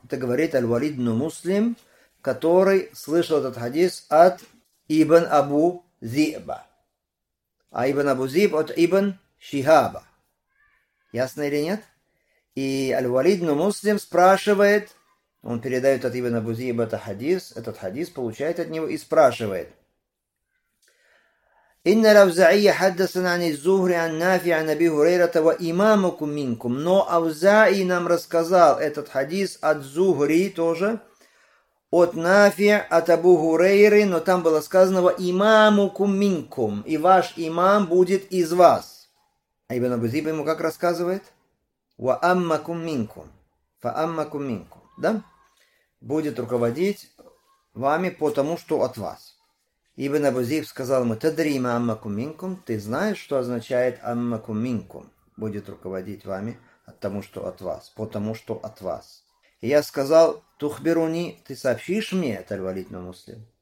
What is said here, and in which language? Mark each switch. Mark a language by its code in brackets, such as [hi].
[ru] Это говорит Аль-Валид ибн Муслим, который слышал этот хадис от ибн Абу Зи'ба. А ибн Абу Зи'б от ибн Шихаба. Ясно или нет? И Аль-Валид ибн Муслим спрашивает, он передает от ибн Абу Зи'ба этот хадис получает от него и спрашивает. [ar] إن الأوزاعي حدثنا عن الزهري عن نافع عن أبي هريرة وإمامكم منكم. [ru] Но Авзаи нам рассказал этот хадис от Зухри тоже, от Нафи, от Абу Хурейры, но там было сказано [ar] وإمامكم منكم, [ru] и ваш имам будет из вас. А ибн Абу Зейб ему как рассказывает? [ar] وأمكم منكم, فأمكم منكم, да? [ru] Будет руководить вами, потому что от вас. Ибн Абу Зейб сказал ему, [ar] «Тадрима аммакум минкум», [ru] ты знаешь, что означает [ar] «аммакум минкум»? [ru] Будет руководить вами от того, что от вас, потому что от вас. И я сказал, «Тухбируни, ты сообщишь мне, Аль-Валид ибн Муслим?»